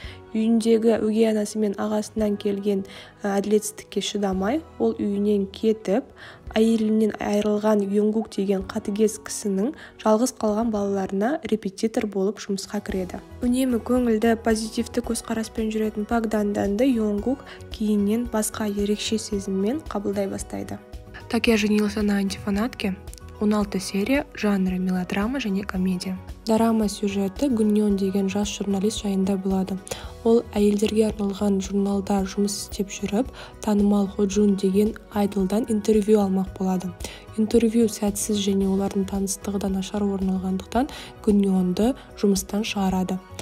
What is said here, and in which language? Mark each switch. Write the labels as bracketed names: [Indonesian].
[Kazakh] Үйіндегі өгей анасы мен ағасынан келген әділетсіздікке шыдамай, ол үйінен кетіп, әйелінен айырылған Юнгук деген қатыгез кісінің жалғыз қалған балаларына репетитор болып жұмысқа кіреді. Үнемі көңілді, позитивті көзқараспен жүретін Пак Дан Данды Юнгук кейіннен басқа ерекше сезіммен қабылдай бастайды. [Russian] Так я женился на антифанатке. [Kazakh] 16 серия, жанры мелодрама және комедия. Дорама сюжеті Гуньон деген жас журналист жайында болады. Ол әйелдерге арналған журналда жұмыс істеп жүріп, танымал Хо Джун деген айдолдан интервью алмақ болады. Интервью сәтсіз және олардың таныстығы да нашар орын алғандықтан Гуньонды жұмыстан шығарады.